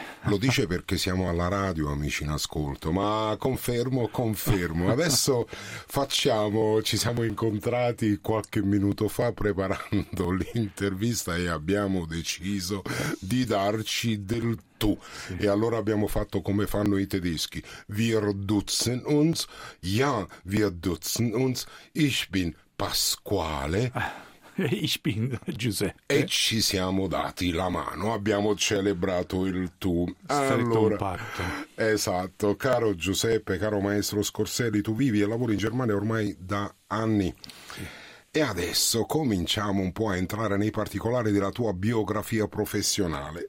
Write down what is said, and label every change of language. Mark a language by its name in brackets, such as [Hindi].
[Italian] Lo dice perché siamo alla radio, amici in ascolto, ma confermo. Adesso ci siamo incontrati qualche minuto fa preparando l'intervista e abbiamo deciso di darci del tu. Sì. E allora abbiamo fatto come fanno i tedeschi. [German] Wir duzen uns, ja, wir duzen uns, ich bin Pasquale. Ich bin Giuseppe. [Italian] E ci siamo dati la mano, abbiamo celebrato il tu. Allora, patto. Esatto, caro Giuseppe, caro maestro Scorselli, tu vivi e lavori in Germania ormai da anni. E adesso cominciamo un po' a entrare nei particolari della tua biografia professionale.